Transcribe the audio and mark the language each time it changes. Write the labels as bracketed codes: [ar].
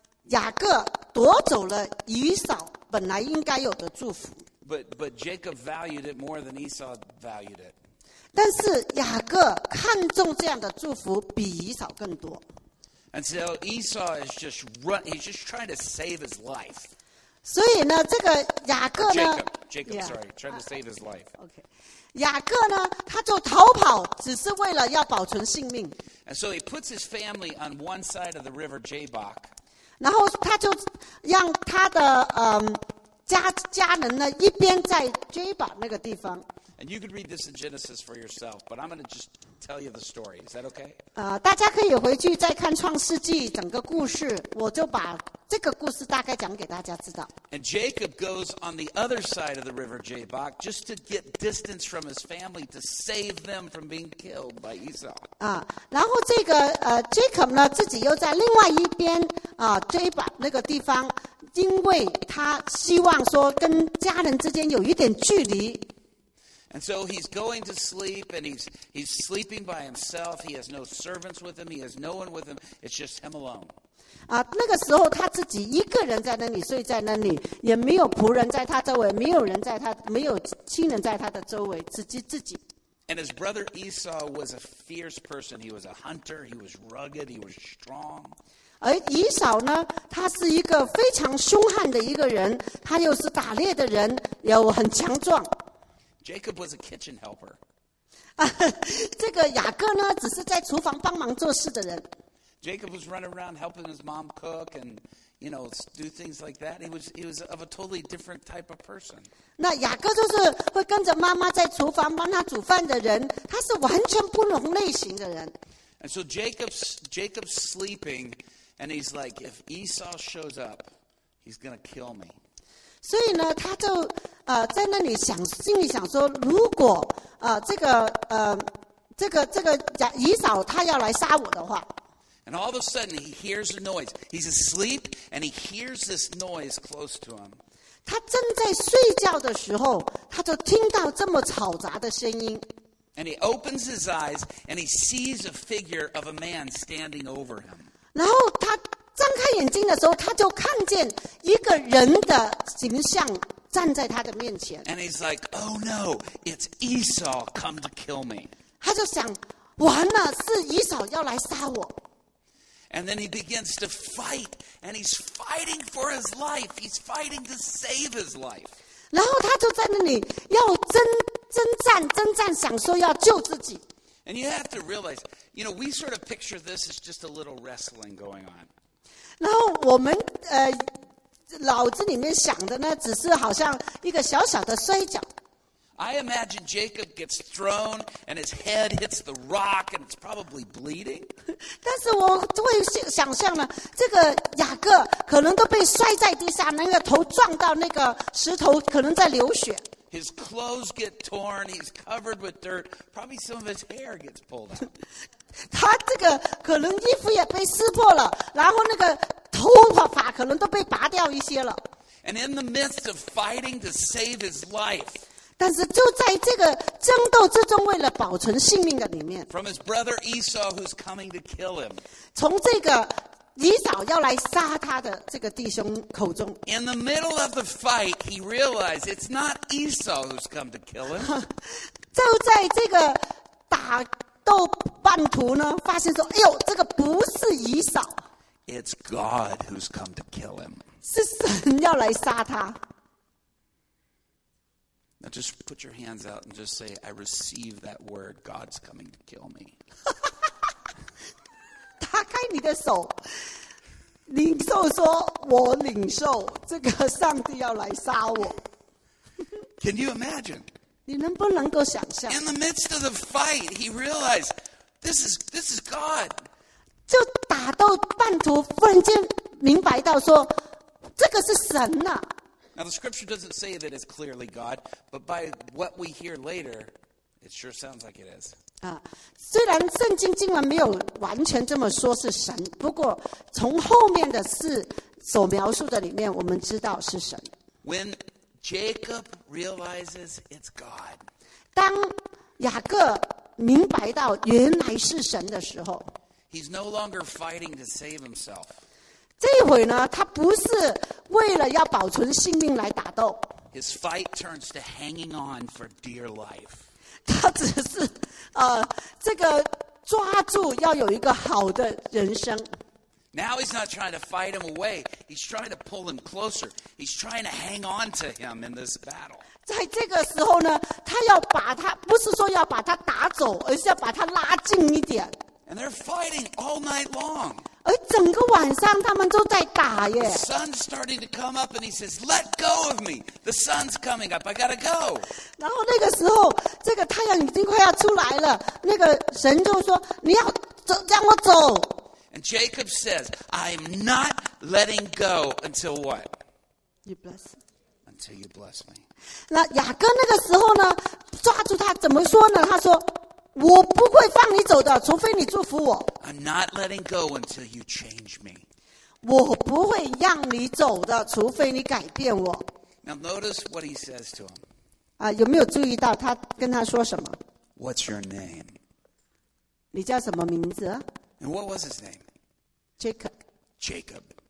[zh] 雅各夺走了以扫本来应该有的祝福。 [en] But Jacob valued it more than Esau valued it. [zh] 但是雅各看重这样的祝福比以扫更多。 [en] And so Esau is just run. He's just trying to save his life. [zh] 所以呢，这个雅各呢 [en] Jacob, trying to save his life. [zh] Okay, 雅各呢，他就逃跑，只是为了要保存性命。 [en] And so he puts his family on one side of the river Jabbok. [zh] 然后他就让他的家人呢，一边在 Jabbok 那个地方。 [en] And you can read this in Genesis for yourself, but I'm going to just tell you the story. Is that okay? [zh] 大家可以回去再看创世纪整个故事，我就把这个故事大概讲给大家知道。 [en] And Jacob goes on the other side of the river Jabbok just to get distance from his family to save them from being killed by Esau. [zh] 然后这个Jacob 呢，自己又在另外一边Jabbok 那个地方，因为他希望说跟家人之间有一点距离。 [en] And so he's going to sleep, and he's sleeping by himself. He has no servants with him. He has no one with him. It's just him alone. [zh] 那个时候他自己一个人在那里睡在那里，也没有仆人在他周围，没有人在他，没有亲人在他的周围，自己。 [en] And his brother Esau was a fierce person. He was a hunter. He was rugged. He was strong. [zh] 而以扫呢，他是一个非常凶悍的一个人，他又是打猎的人，又很强壮。 [en] Jacob was a kitchen helper. [zh] 这个雅各呢，只是在厨房帮忙做事的人。 [en] Jacob was running around helping his mom cook and, you know, do things like that. He was of a totally different type of person. [zh] 那雅各就是会跟着妈妈在厨房帮他煮饭的人，他是完全不同类型的人。 [en] And so Jacob's sleeping, and he's like, if Esau shows up, he's gonna kill me. [zh] 所以呢，他就在那里想，心里想说，如果这个以扫他要来杀我的话。 [en] And all of a sudden he hears a noise. He's asleep and he hears this noise close to him. [zh] 他正在睡觉的时候，他就听到这么吵杂的声音。 [en] And he opens his eyes and he sees a figure of a man standing over him. [zh] 然后他张开眼睛的时候，他就看见一个人的形象站在他的面前。 [en] And he's like, oh no, it's Esau come to kill me. [zh] 他就想，完了，是以扫要来杀我。 [en] And then he begins to fight, and he's fighting for his life. He's fighting to save his life. [zh] 然后他就在那里要征战，想说要救自己。 [en] And you have to realize, you know, we sort of picture this as just a little wrestling going on. [zh] 然后我们脑子里面想的呢，只是好像一个小小的摔跤。 [en] I imagine Jacob gets thrown and his head hits the rock and it's probably bleeding. [zh] 但是我会想象呢，这个雅各可能都被摔在地上，那个头撞到那个石头，可能在流血。 [en] His clothes get torn, he's covered with dirt, probably some of his hair gets pulled out. [zh] 他这个可能衣服也被撕破了，然后那个头发可能都被拔掉一些了。 [en] And in the midst of fighting to save his life, [zh] 但是就在这个争斗之中，为了保存性命的里面， [en] from his brother Esau who's coming to kill him, [zh] 从这个以扫要来杀他的这个弟兄口中， [en] in the middle of the fight, he realized it's not Esau who's come to kill him. [zh] 就在这个打斗半途呢，发现说，哎呦，这个不是以扫。 [en] It's God who's come to kill him. [zh] 是神要来杀他。 [en] Now just put your hands out and just say, I receive that word, God's coming to kill me. [zh] 打开你的手，领受说，我领受这个上帝要来杀我。 [en] Can you imagine? [zh] 你能不能够想象？ [en] In the midst of the fight, he realized, this is God. [zh] 就打到半途，忽然间明白到说，这个是神呐。 [en] Now the scripture doesn't say that it's clearly God, but by what we hear later, it sure sounds like it is. [zh] 虽然圣经经文没有完全这么说是神，不过从后面的事所描述的里面，我们知道是神。 [en] When Jacob realizes it's God, [zh] 当雅各明白到原来是神的时候。 [en] He's no longer fighting to save himself. [zh] 这回呢，他不是为了要保存性命来打斗。 [en] His fight turns to hanging on for dear life. [zh] 他只是这个抓住要有一个好的人生。 [en] Now he's not trying to fight him away. He's trying to pull him closer. He's trying to hang on to him in this battle. [zh] 在这个时候呢，他要把他不是说要把他打走，而是要把他拉近一点。 [en] And they're fighting all night long. [zh] 而整个晚上他们都在打耶。 [en] The sun's starting to come up and he says, let go of me. The sun's coming up. I gotta go. [zh] 然后那个时候这个太阳已经快要出来了，那个神就说，你要走，让我走。 [en] And Jacob says, I'm not letting go until what? You bless me. Until you bless me. [zh] 那雅各那个时候呢，抓住他怎么说呢，他说，我不会放你走的，除非你祝福我。 [en] I'm not letting go until you change me. [zh] 我不会让你走的，除非你改变我。 [en] Now notice what he says to him. [zh] 有没有注意到他跟他说什么？ [en] What's your name? [zh] 你叫什么名字？ [en] And what was his name? Jacob. Jacob.